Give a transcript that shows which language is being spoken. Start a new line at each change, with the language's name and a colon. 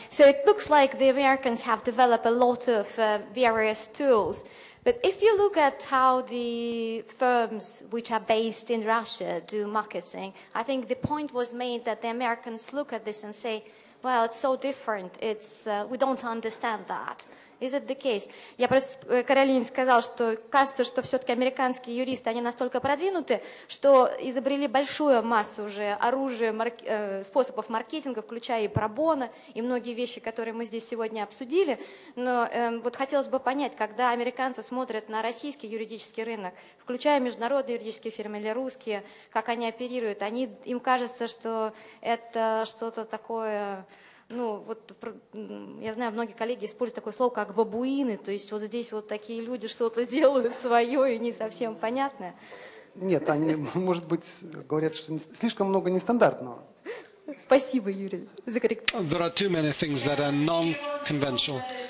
English: So it looks like the Americans have developed a lot of various tools, but if you look at how the firms which are based in Russia do marketing, I think the point was made that the Americans look at this and say, well, it's so different, we don't understand that. Is it the case?
Russian: Я про Каролин сказал, что кажется, что все-таки американские юристы, они настолько продвинуты, что изобрели большую массу уже оружия, способов маркетинга, включая и пробоны, и многие вещи, которые мы здесь сегодня обсудили. Но вот хотелось бы понять, когда американцы смотрят на российский юридический рынок, включая международные юридические фирмы или русские, как они оперируют, они, им кажется, что это что-то такое... Ну, вот я знаю, многие коллеги используют такое слово, как бабуины, то есть вот здесь вот такие люди что-то делают свое и не совсем понятное. Нет, они, может быть, говорят, что слишком много нестандартного. Спасибо, Юрий, за коррекцию.
English: There are too many things that are non-conventional.